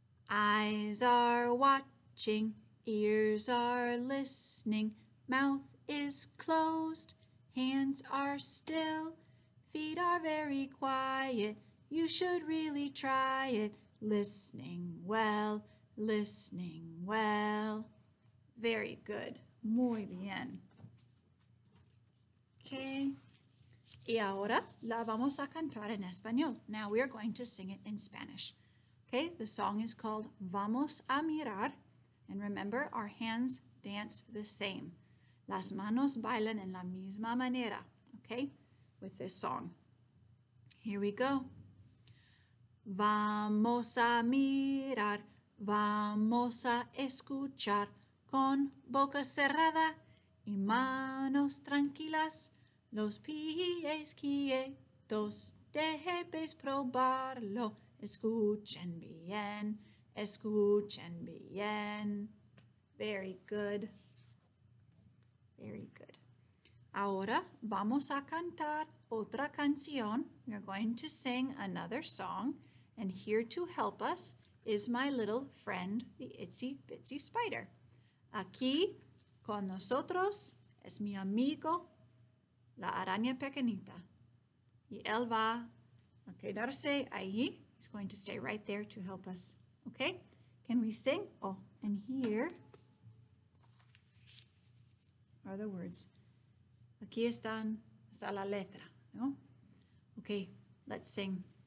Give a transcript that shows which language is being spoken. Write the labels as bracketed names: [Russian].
[English] Eyes are watching. Ears are listening, mouth is closed, hands are still, feet are very quiet, you should really try it, listening well, very good, [Spanish] muy bien. Okay, y ahora la vamos a cantar en español. [English] Now we are going to sing it in Spanish. Okay, the song is called Vamos a Mirar. And remember, our hands dance the same. [Spanish] Las manos bailan en la misma manera, [English] okay? With this song. Here we go. [Spanish] Vamos a mirar, vamos a escuchar, con boca cerrada y manos tranquilas, los pies quietos, debes probarlo, escuchen bien. Escuchen bien. [English] Very good. Very good. [Spanish] Ahora vamos a cantar otra canción. [English] We're going to sing another song. And here to help us is my little friend, the Itsy Bitsy Spider. [Spanish] Aquí con nosotros es mi amigo, la araña pequeñita. Y él va a quedarse ahí. [English] He's going to stay right there to help us. Okay, can we sing? Oh, and here are the words. [Spanish] Aquí están, está la letra, no? [English] Okay, let's sing.